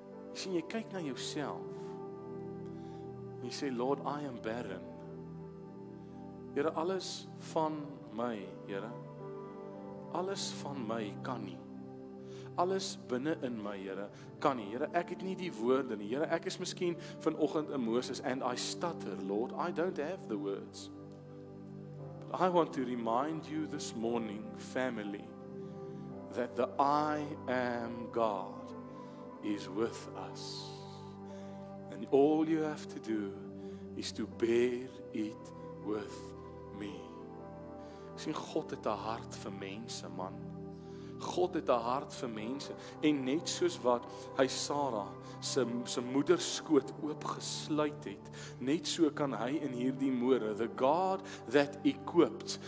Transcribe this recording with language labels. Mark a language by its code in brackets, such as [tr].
[af] Jy sien, jy kyk na jouself, en jy sê, [en] Lord, I am barren. [af] Here, alles van my, Here, alles van my kan nie. Alles binnen in my, Here, kan nie. Here, ek het nie die woorde nie. Here, ek is miskien vanochtend in Moses, [en] and I stutter, Lord, I don't have the words. But I want to remind you this morning, family, that the I am God is with us. And all you have to do is to bear it with me. [af] Sien, God het 'n hart vir mense, man. God het 'n hart vir mense. En net soos wat hy Sarah, sy moederskoot oopgesluit het, net so kan hy in hierdie more, [en] the God that equipped.